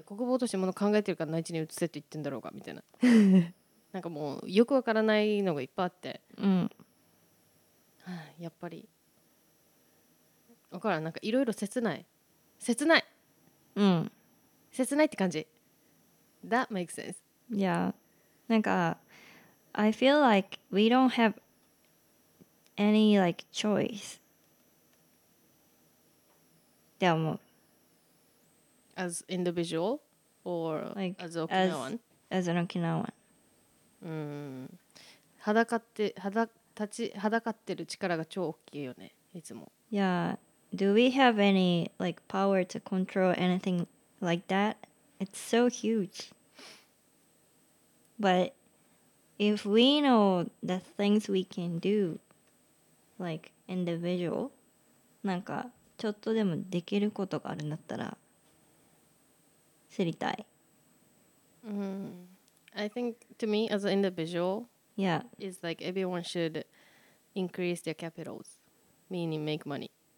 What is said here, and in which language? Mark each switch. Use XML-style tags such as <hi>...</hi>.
<ja>国防として物を考えてるから内地に移せって言ってんだろうかみたいななんかもうよくわからないのがいっぱいあって、うん、はあ、やっぱりわからん、なんかいろいろ切ない、切ない、うん、切ないって感じ。</ja> <en>That makes sense. Yeah. なんか I feel like we don't have any like choice.</en> <ja>って思う。</ja> <en>As individual or like, as Okinawan? As an Okinawan.</en> <ja>うん。裸って、裸ってる力が超大きいよね、いつも。</ja> <en>Yeah. Do we have any like power to control anything like that? It's so huge. But if we know the things we can do, like individual, なんか。</en> <ja>ちょっとでもできることがあるんだったら知りたい。</ja> <en>I think to me as an individual, yeah, is like everyone should increase their capitals, meaning make money.</en>